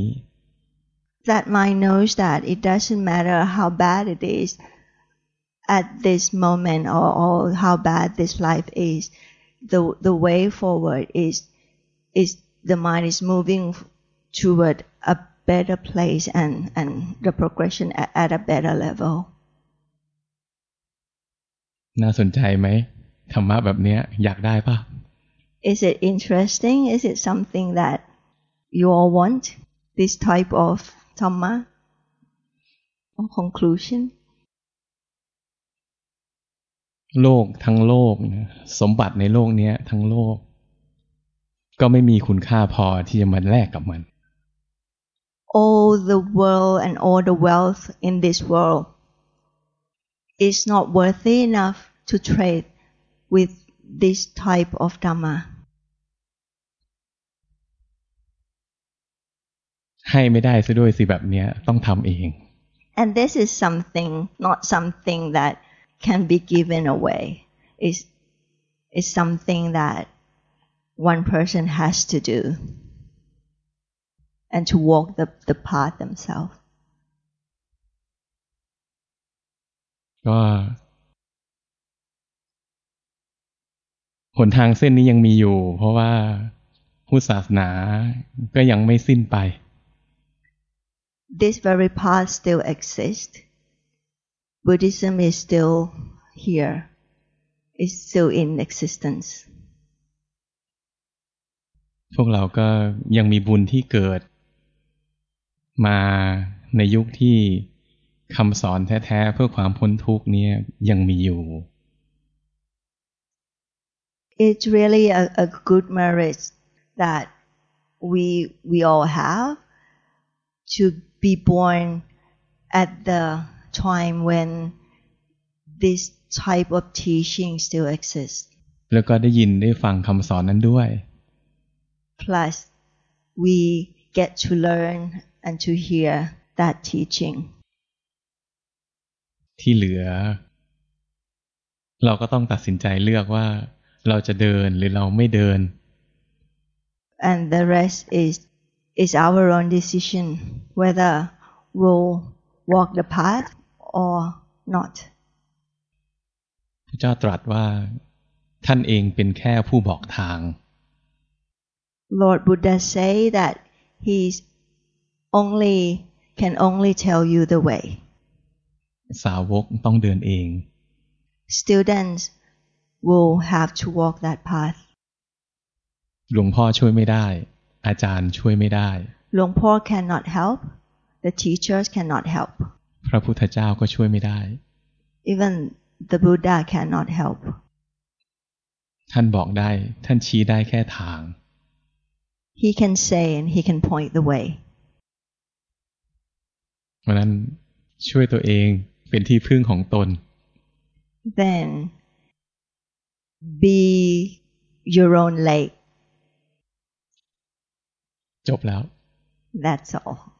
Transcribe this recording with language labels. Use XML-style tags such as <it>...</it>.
<en>That mind knows that it doesn't matter how bad it is at this moment or how bad this life is the way forward is the mind is moving toward a better place and the progression at a better level</en> <th>น่าสนใจไหมธรรมะแบบนี้อยากได้ป่ะ</th> <en>Is it interesting? Is it something that you all want? This type of dhamma or conclusion?</en> <th>โลกทั้งโลกสมบัติในโลกนี้ทั้งโลกก็ไม่มีคุณค่าพอที่จะมาแลกกับมัน</th> <en>All the world and all the wealth in this world is not worthy enough to trade with this type of dhamma</en> <th>ให้ไม่ได้ซะด้วยสิแบบเนี้ยต้องทำเอง</th> <en>And this is something not something that can be given away is something thatOne person has to do and to walk the path themselves.</en> <th>ก็หนทางเส้นนี้ยังมีอยู่เพราะว่าพุทธศาสนาก็ยังไม่สิ้นไป</th> <en>This very path still exists. Buddhism is still here. It's still in existence.</en> <th>พวกเราก็ยังมีบุญที่เกิดมาในยุคที่คำสอนแท้ๆเพื่อความพ้นทุกข์เนี่ยยังมีอยู่</th> <en>It's really a good marriage that we all have to be born at the time when this type of teaching still exists</en> <th>แล้วก็ได้ยินได้ฟังคำสอนนั้นด้วย</th> <en>plus we get to learn and to hear that teaching</en> <th>ที่เหลือเราก็ต้องตัดสินใจเลือกว่าเราจะเดินหรือเราไม่เดิน</th> <en>and the rest is our own decision whether we'll walk the path or not</en> <th>พระเจ้าตรัสว่าท่านเองเป็นแค่ผู้บอกทาง</th> <en>Lord Buddha say that he only can only tell you the way</en> <th>สาวกต้องเดินเอง</th> <en>Students will have to walk that path</en> <th>หลวงพ่อช่วยไม่ได้อาจารย์ช่วยไม่ได้</th> <en>หลวงพ่อ cannot help the teachers cannot help</en> <th>พระพุทธเจ้าก็ช่วยไม่ได้</th> <en>Even the Buddha cannot help</en> <th>ท่านบอกได้ท่านชี้ได้แค่ทาง</th> <en>He can say and he can point the way</en> <th>เพราะนั้นช่วยตัวเองเป็นที่พึ่งของตน</th> <en>Then be your own leg</en> <th>จบแล้ว</th> <en>That's all</en>